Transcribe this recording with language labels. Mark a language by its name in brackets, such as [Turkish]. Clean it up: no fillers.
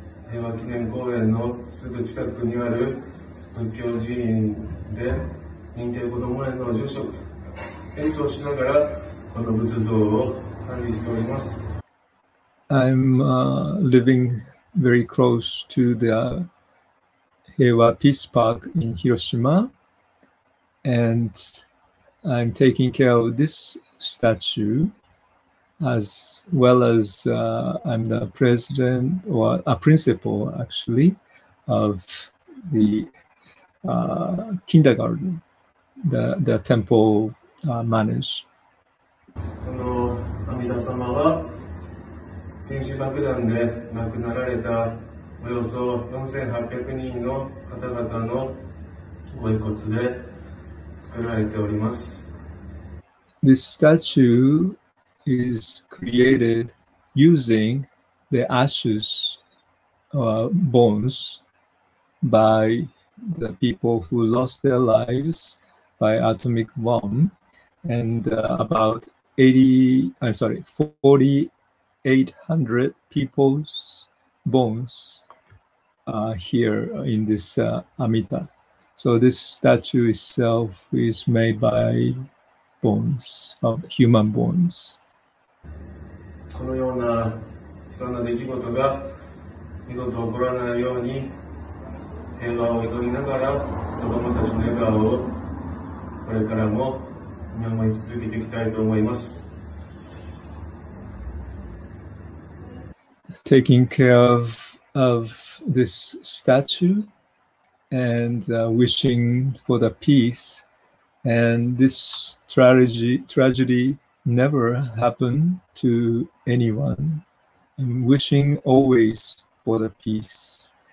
[Japanese] 平和記念公園のすぐ近くにある仏教寺院で認定子ども園の住職園長をしながらこの仏像を管理しております。 [English] I'm living very close to the Heiwa Peace Park in Hiroshima, and I'm taking care of this statue as well as I'm the president or a principal actually of the kindergarten the temple manage. [Japanese] この阿弥陀様は原子爆弾で亡くなられたおよそ4800人の方々のご遺骨で作られております。 [English] This statueis created using the ashes or bones by the people who lost their lives by atomic bomb, and about 4,800 people's bones are here in this Amita. So this statue itself is made by bones, of human bones. [Japanese] このような悲惨な出来事が二度と起こらないように平和を祈りながら子どもたちの笑顔をこれからも見守り続けていきたいと思います。 [English] Taking care of this statue and wishing for the peace, and this tragedy. Never happen to anyone. I'm wishing always for the peace.